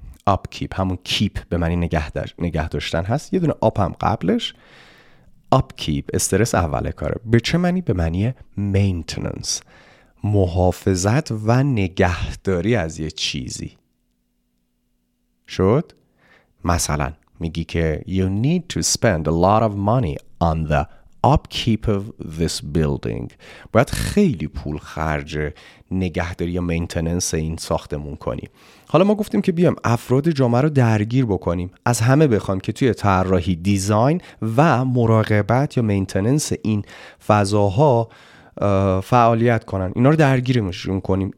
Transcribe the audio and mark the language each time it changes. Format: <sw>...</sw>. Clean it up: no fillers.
<fa>upkeep همون keep به معنی نگه داشتن هست، یه دونه up هم قبلش، upkeep استرس اول کاره. به چه معنی؟ به معنی maintenance، محافظت و نگهداری از یه چیزی. شد؟ مثلا میگی که</fa> <en>you need to spend a lot of money on the upkeep of this building.</en> <fa>باید خیلی پول خرج نگهداری یا مینتننس این ساختمون کنی. حالا ما گفتیم که بیام افراد جامعه رو درگیر بکنیم، از همه بخوام که توی طراحی، دیزاین و مراقبت یا مینتننس این فضاها فعالیت کنن، اینا رو درگیرشون کنیم.</fa>